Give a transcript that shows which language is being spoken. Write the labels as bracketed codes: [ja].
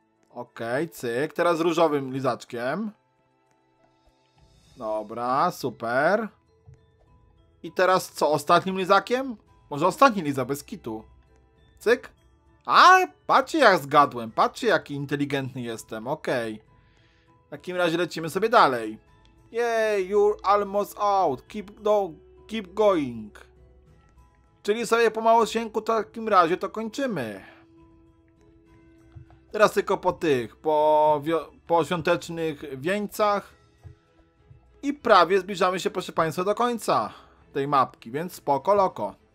[pl] Okej, cyk, teraz różowym lizaczkiem. Dobra, super. I teraz co, ostatnim lizakiem? Może ostatni lizak bez kitu. Cyk. A, patrzcie jak zgadłem, patrzcie jaki inteligentny jestem, okej. W takim razie lecimy sobie dalej. [en] Yay, you're almost out, keep going. [pl] Czyli sobie po małosieńku w takim razie to kończymy. Teraz tylko po tych, po świątecznych wieńcach. I prawie zbliżamy się, proszę Państwa, do końca tej mapki, więc spoko loko.